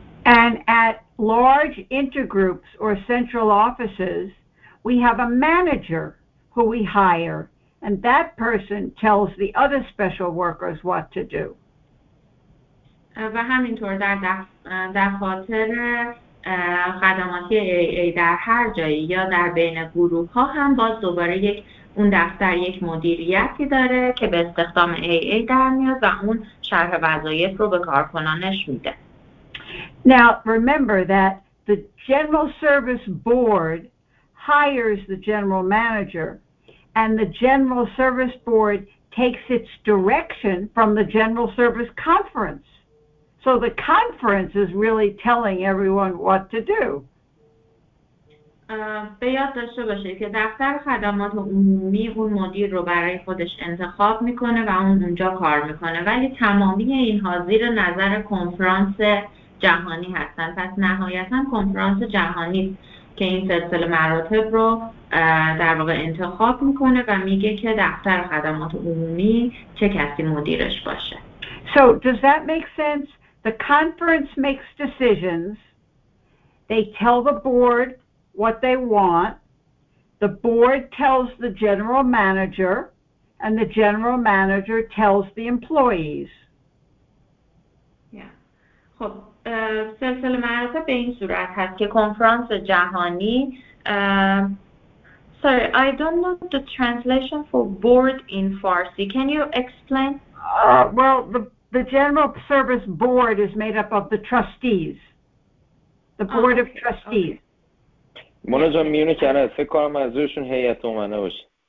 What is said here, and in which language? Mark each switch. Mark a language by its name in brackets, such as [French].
[English] And at large intergroups or central offices, we have a manager who we hire, and that person tells the other special workers what to do. [Persian] و همینطور در دفاتر خدماتی AA در هر جایی یا در بین گروه ها هم باز دوباره یک اون دفتر یک مدیریتی داره که به استخدام AA در میاد و اون شرح وظایف رو به کارکنانش میده. [English] Now, remember that the General Service Board hires the General Manager, and the General Service Board takes its direction from the General Service Conference. So the conference is really telling everyone what to do. [Persian] به یاد داشته باشه که دفتر خدمات عمومی اون مدیر رو برای خودش انتخاب میکنه و اون اونجا کار میکنه، ولی تمامی اینها زیر نظر کنفرانس جهانی هستن. پس نهایتا کنفرانس جهانی که این سلسله مراتب رو در واقع انتخاب میکنه و میگه که دفتر خدمات عمومی چه کسی مدیرش باشه. [English] So does that make sense? The conference makes decisions. They tell the board what they want. The board tells the general manager, and the general manager tells the employees. [Persian] خب سلسله مراتب به این صورت هست که کنفرانس جهانی [English] sorry I don't know the translation for board in Farsi. Can you explain? Well, the General Service Board is made up of the trustees. The Board of Trustees. [Persian] مونا جان میونه کنه فکر کنم از روشون هیئت عمومه باشه.